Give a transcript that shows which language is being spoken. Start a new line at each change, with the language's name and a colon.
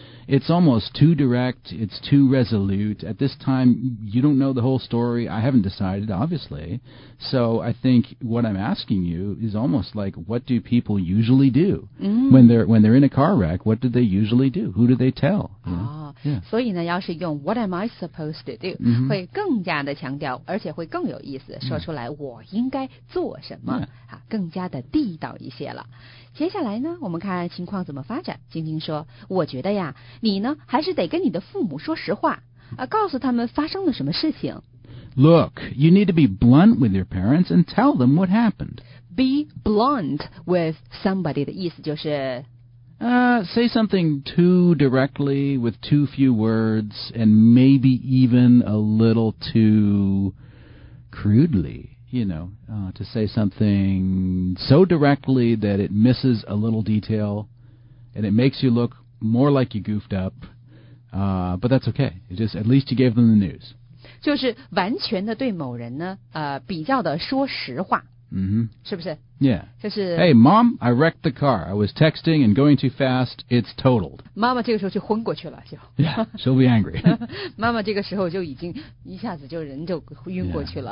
English: It's almost too direct, it's too resolute. At this time, you don't know the whole story. I haven't decided, obviously. So I think what I'm asking you is almost like, what do people usually do?、 Mm. When they're in a car wreck, what do they usually do? Who do they tell? You know?、Oh, yeah.
Chinese: 所以呢要是用
English: what am I supposed to do,、 mm-hmm.
Chinese: 会更加的强调而且会更有意思、
English: yeah.
Chinese: 说出来我应该做什么、
English: yeah.
Chinese: 更加的地道一些了。接下来呢我们看情况怎么发展晶晶说我觉得呀你呢还是得跟你的父母说实话、告诉他们发生了什么事情
English: Look, you need to be blunt with your parents and tell them what happened
Chinese: Be blunt with somebody 的意思就是
English: Say something too directly with too few words and maybe even a little too crudely You know,、to say something so directly that it misses a little detail and it makes you look more like you goofed up.、but that's okay. Just at least you gave them the news.
Chinese: 就是完全的对某人呢、比较的说实话。
English: Mm-hmm.
Chinese: 是不是
English: Yeah.
Chinese: 就是
English: Hey, Mom, I wrecked the car. I was texting and going too fast. It's totaled.
Chinese: 妈妈这个时候就昏过去了就
English: Yeah, she'll be angry.
Chinese: 妈妈这个时候就已经一下子就人就晕过去了、